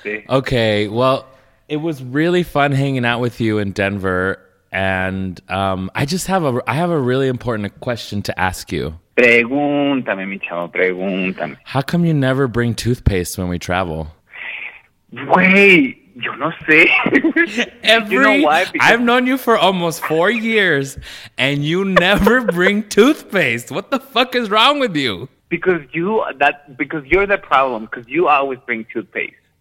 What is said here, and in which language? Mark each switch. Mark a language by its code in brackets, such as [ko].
[en] Okay, well, it was really fun hanging out with you in Denver. And I have a really important question to ask you. [es] Pregúntame, mi chavo, pregúntame. [en] How come you never bring toothpaste when we travel? Wait. [es] Yo no sé. [en] Every, you know why? Because I've known you for almost 4 years, and you never bring toothpaste. What the fuck is wrong with you? Because you're the problem, because you always bring toothpaste.